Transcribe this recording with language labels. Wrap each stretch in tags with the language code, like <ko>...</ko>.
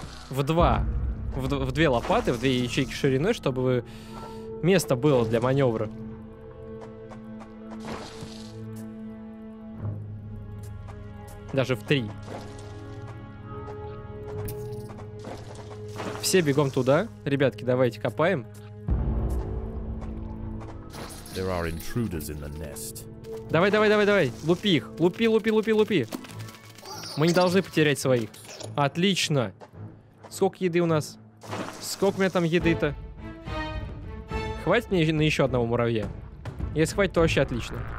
<ru>В две лопаты, в две ячейки шириной, чтобы место было для маневра. Даже в три. Все бегом туда. Ребятки, давайте копаем.</ru> <en>There are intruders in the nest.</en> <ru>Давай, давай, давай, давай. Лупи их. Лупи, лупи, лупи, лупи. Мы не должны потерять своих. Отлично. Сколько еды у нас? Сколько у меня там еды-то? Хватит мне на еще одного муравья? Если хватит, то вообще отлично.</ru>